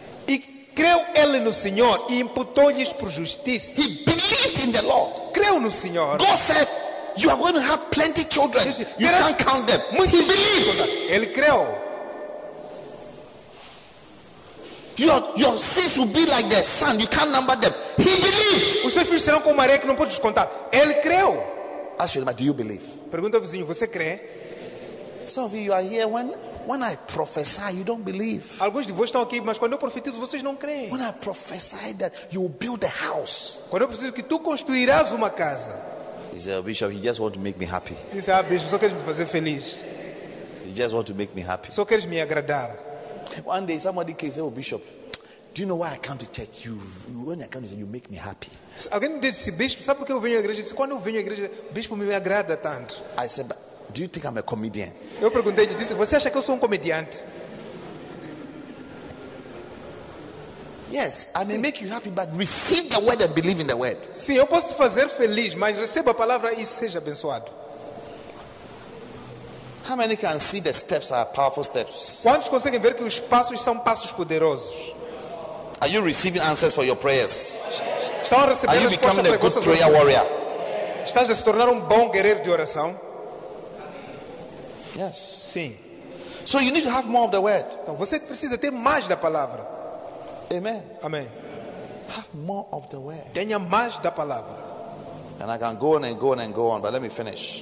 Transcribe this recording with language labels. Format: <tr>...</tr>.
<pt>E creu ele no Senhor e imputou-lhes por justiça.</pt> <en>He believed in the Lord.</en> <pt>Creu no Senhor.</pt> <en>God said, you are going to have plenty children. You can't count them.</en> <pt>Muitos.</pt> <en>He believed.</en> <pt>Ele creu.</pt> <en>Your sins will be like the sand. You can't number them. He believed.</en> <pt>Os seus filhos serão como areia que não podes contar. Ele creu.</pt> <en>Ask your neighbor, do you believe?</en> <pt>Pergunta ao vizinho, você crê?</pt> <en>Some of you are here when I prophesy, you don't believe.</en> <pt>Alguns de vocês estão aqui, mas quando eu profetizo, vocês não creem.</pt> <en>When I prophesy that you will build a house.</en> <pt>Quando eu preciso que tu construirás uma casa.</pt> <en>He said, Bishop, you just want to make me happy.</en> <pt>Diz, ah, bispo, só queres me fazer feliz.</pt> <en>You just want to make me happy.</en> <pt>Só queres me agradar.</pt> <en>One day somebody came and said, oh, Bishop, do you know why I come to church? You when I come to church, you make me happy.</en> <pt>Alguém disse, bispo, sabe por que eu venho à igreja? Disse, quando eu venho à igreja, bispo me agrada tanto.</pt> <en>I said, but do you think I'm a comedian?</en> <pt>Eu perguntei, ele disse, você acha que eu sou um comediante?</pt> <en>Yes, I may make you happy, but receive the word and believe in the word.</en> <pt>Sim, eu posso te fazer feliz, mas receba a palavra e seja abençoado.</pt> <en>How many can see the steps are powerful steps?</en> <pt>Quantos conseguem ver que os passos são passos poderosos?</pt> <en>Are you receiving answers for your prayers?</en> <pt>Estão a receber?</pt> <en>Are you becoming a good prayer warrior?</en> <pt>Estás a se tornar bom guerreiro de oração?</pt> <en>Yes.</en> <pt>Sim.</pt> <en>So you need to have more of the word.</en> <pt>Então você precisa ter mais da palavra.</pt> <en>Amen.</en> <pt>Amém.</pt> <en>Have more of the word.</en> <pt>Tenha mais da palavra.</pt> <en>And I can go on and go on and go on, but let me finish.</en>